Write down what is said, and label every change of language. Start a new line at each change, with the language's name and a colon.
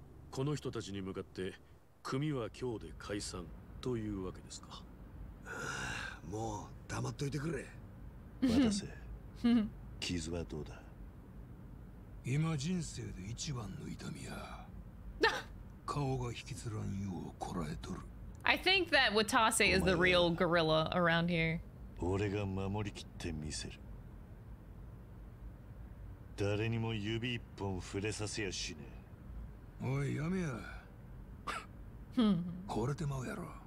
Japanese: この人たちに向かって組は今日で解散というわけですか。もう黙っといてくれ。待たせ。傷はどうだ。今人生で一番の痛みや。顔が引きつらんようこらえとる。
English: I think that Watase is the real gorilla around here.
Japanese: 俺が守りきってみせる。誰にも指一本触れさせやしねえ。おいやめや。これてまうやろ。